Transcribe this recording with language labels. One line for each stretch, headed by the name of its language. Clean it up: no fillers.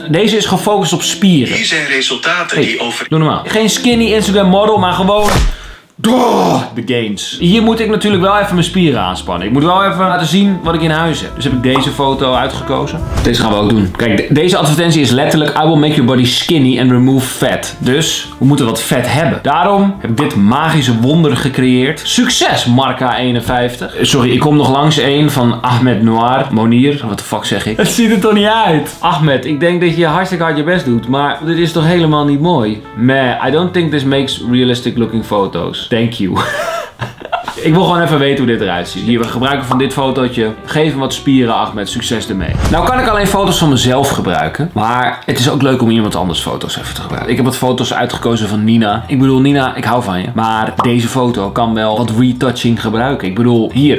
Dutch: Deze is gefocust op spieren. Hier zijn resultaten die over... Doe normaal. Geen skinny Instagram model, maar gewoon... de gains. Hier moet ik natuurlijk wel even mijn spieren aanspannen. Ik moet wel even laten zien wat ik in huis heb. Dus heb ik deze foto uitgekozen. Deze gaan we ook doen. Kijk, deze advertentie is letterlijk...
English: I will make your body skinny and remove fat.
Dutch: Dus we moeten wat vet hebben. Daarom heb ik dit magische wonder gecreëerd. Succes, Marca 51. Sorry, ik kom nog langs een van Ahmed Noir. Monier, wat de fuck zeg ik? Het ziet er toch niet uit? Ahmed, ik denk dat je hartstikke hard je best doet. Maar dit is toch helemaal niet mooi?
English: Man, I don't think this makes realistic looking photos. Thank you.
Dutch: Ik wil gewoon even weten hoe dit eruit ziet. Hier, we gebruiken van dit fotootje. Geef hem wat spieren, Ahmed. Succes ermee. Nou kan ik alleen foto's van mezelf gebruiken. Maar het is ook leuk om iemand anders foto's even te gebruiken. Ik heb wat foto's uitgekozen van Nina. Ik bedoel, Nina, ik hou van je. Maar deze foto kan wel wat retouching gebruiken. Ik bedoel, hier.